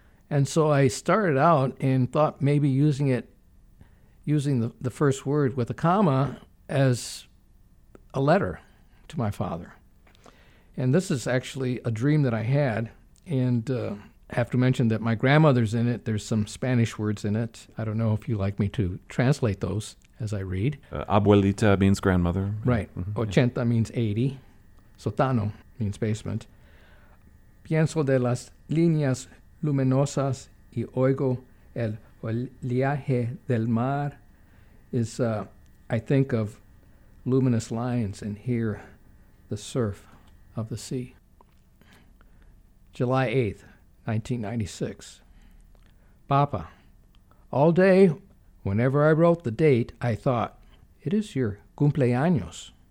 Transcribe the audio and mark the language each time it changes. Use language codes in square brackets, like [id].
[en] And so I started out and thought maybe using the first word with a comma as a letter to my father. And this is actually a dream that I had, and I have to mention that my grandmother's in it. There's some Spanish words in it. I don't know if you like me to translate those as I read. Abuelita means grandmother. Right. Mm-hmm. Ochenta means 80. Sotano means basement. [es] Pienso de las líneas luminosas y oigo el oleaje del mar. [en] I think of luminous lines and hear the surf of the sea. July 8th, 1996. Papa, all day, whenever I wrote the date, I thought, it is your cumpleaños.